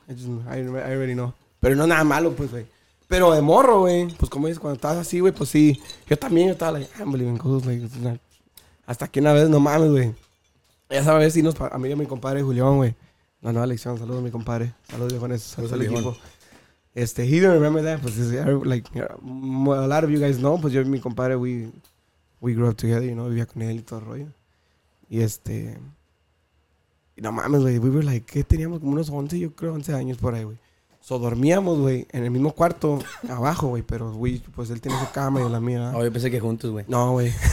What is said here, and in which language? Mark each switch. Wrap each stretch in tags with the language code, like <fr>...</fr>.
<en>I already know.</en> <es>Pero no nada malo, pues, güey. Pero de morro, güey. Pues, como dices, cuando estás así, güey, pues sí. Yo también estaba, like,</es> <en>I'm believing ghosts,</en> <es>like, hasta que una vez, no mames, güey. Esa vez, sí, a mí y a mi compadre, Julián, güey. La nueva lección. Saludos, mi compadre. Saludos, viejones. Saludos al equipo.</es> <en>He didn't remember that. Pues, like, a lot of you guys know.</en> <es>Pues, yo y mi compadre,</es> <en>we grew up together, you know.</en> <es>Vivía con él y todo el rollo. Y, no mames, güey.</es> <en>We were, like,</en> <es>¿qué teníamos? Como unos 11, yo creo, 11 años por ahí, güey. So, dormíamos, güey, en el mismo cuarto, abajo, güey, pero, güey, pues él tiene su cama y yo la mía, ¿verdad? Oh, yo pensé que juntos, güey. No, güey.</es>